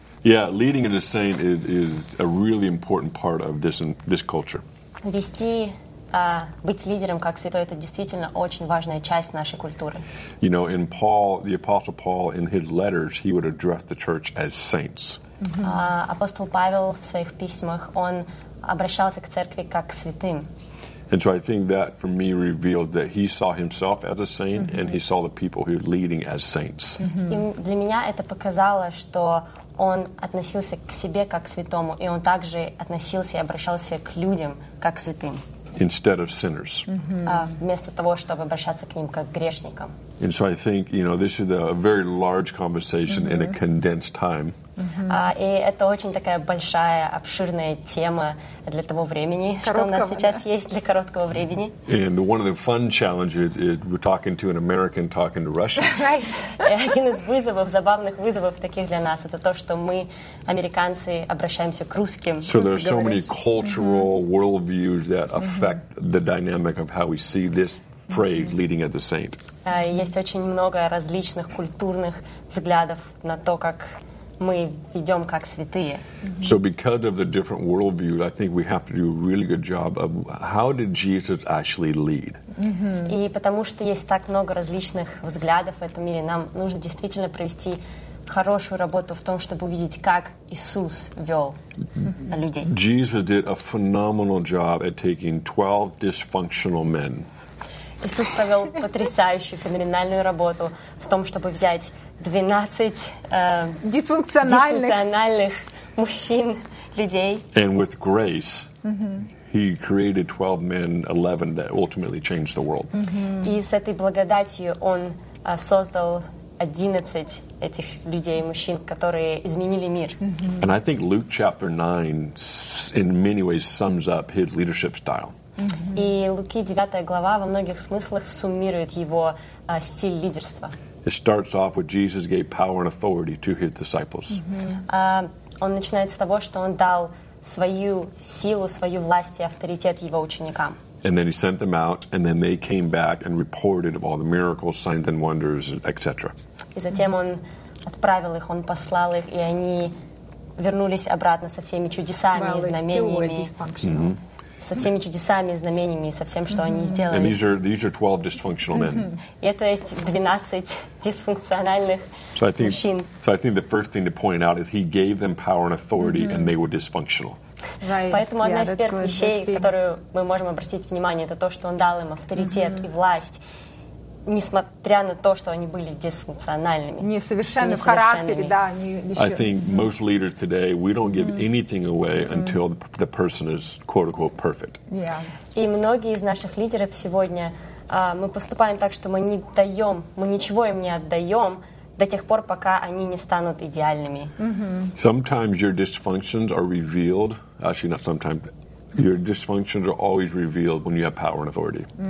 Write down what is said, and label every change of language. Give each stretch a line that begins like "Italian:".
English: Yeah, leading as a saint is a really important part of this culture.
Russian: Вести, быть лидером как святой, это действительно очень важная часть нашей культуры.
English: You know, in Paul, the Apostle Paul, in his letters, he would address the church as saints.
Russian: Апостол Павел в своих письмах, он обращался к церкви как к святым.
English: And so I think that for me revealed that he saw himself as a saint and he saw the people he was leading as saints. Mm-hmm.
Russian: И для меня это показало, что он относился к себе как к святому, и он также относился и обращался к людям как к святым.
English: Instead of sinners. Mm-hmm.
Russian: Вместо того, чтобы обращаться к ним как к грешникам.
English: And so I think, you know, this is a very large conversation in a condensed time.
Russian: И это очень такая большая, обширная тема для того времени, что у нас сейчас есть для короткого времени.
English: And one of the fun challenges is we're talking to an American talking to Russians.
Russian: Один из вызовов, забавных вызовов таких для нас, это то, что мы, американцы, обращаемся к русским.
English: So there are so many cultural worldviews that affect the dynamic of how we see this phrase, leading as a saint.
Russian: Есть очень много различных культурных взглядов на то, как мы ведем как святые.
English: So because of the different worldviews, I think we have to do a really good job of how did Jesus actually lead.
Russian: И потому что есть так много различных взглядов в этом мире, нам нужно действительно провести хорошую работу в том, чтобы увидеть, как Иисус вел людей.
English: Jesus did a phenomenal job at taking 12 dysfunctional men.
Russian: Иисус провел потрясающую, феноменальную работу в том, чтобы взять 12 дисфункциональных мужчин, людей.
English: And with grace, he created 12 men, 11, that ultimately changed the world.
Russian: И с этой благодатью он создал 11 этих людей, мужчин, которые изменили мир.
English: And I think Luke chapter 9 in many ways sums up his leadership style.
Russian: И Луки 9 глава во многих смыслах суммирует его стиль лидерства.
English: It starts off with Jesus gave power and authority to his disciples.
Russian: Он начинает с того, что он дал свою силу, свою власть и авторитет его ученикам.
English: And then he sent them out, and then they came back and reported of all the miracles, signs and wonders, etc.
Russian: И затем он отправил их, он послал их, и они вернулись обратно со всеми чудесами и знамениями. со всеми чудесами, знамениями, со всем, что они сделали.
English: And these are 12 dysfunctional men.
Russian: И это эти 12 дисфункциональных мужчин.
English: So I think the first thing to point out is he gave them power and authority, and they were dysfunctional. Right.
Russian: Поэтому одна из первых вещей, которую мы можем обратить внимание, это то, что он дал им авторитет и власть, несмотря на то, что они были дисфункциональными. Несовершенны в характере, да.
English: I think most leaders today, we don't give anything away until the person is, quote-unquote, perfect.
Russian: И многие из наших лидеров сегодня, мы поступаем так, что мы не даем, мы ничего им не отдаем, до тех пор, пока они не станут идеальными.
English: Sometimes your dysfunctions are revealed. Actually, not sometimes. Your dysfunctions are always revealed when you have power and authority.